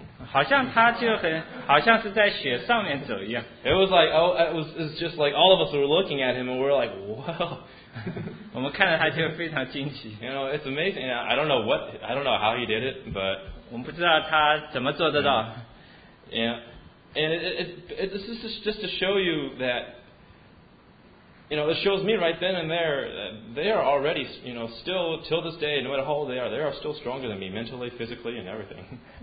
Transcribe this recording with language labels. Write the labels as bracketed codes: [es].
[zh] 好像他就很像是在雪上面走一样。 [en] It was just like all of us were looking at him and we're like, whoa. [zh] 我们看着他就非常惊奇。 [en] You know, it's amazing. I don't know how he did it, but [zh] 我们不知道他怎么做得到。 [en] Yeah. And this is just to show you that, you know, it shows me right then and there that they are already, you know, still till this day, no matter how old they are still stronger than me mentally, physically, and everything.